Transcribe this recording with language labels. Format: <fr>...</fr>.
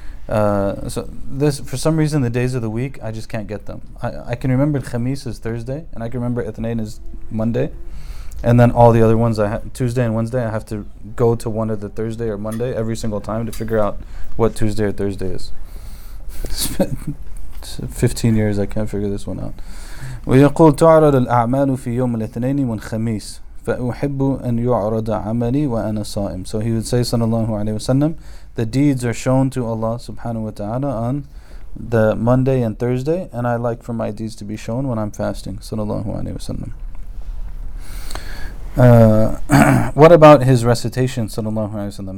<en>So this, for some reason, the days of the week, I just can't get them. I can remember Khamis is Thursday, and I can remember Ithnain is Monday. And then all the other ones, Tuesday and Wednesday, I have to go to one of the Thursday or Monday every single time to figure out what Tuesday or Thursday is. 15 years, I can't figure this one out.</en> <ar>ويقول تعرض الأعمال في يوم الاثنين والخميس فأحب أن يعرض عملي وأنا صائم.</ar> <en>So he would say,</en> <ar>sallallahu alayhi wa sallam,</ar> <en>the deeds are shown to Allah</en> <ar>subhanahu wa ta'ala</ar> <en>on the Monday and Thursday, and I like for my deeds to be shown when I'm fasting, sallallahu alayhi wa sallam. what about his recitation,</en> <ar>sallallahu alayhi wa sallam?</ar>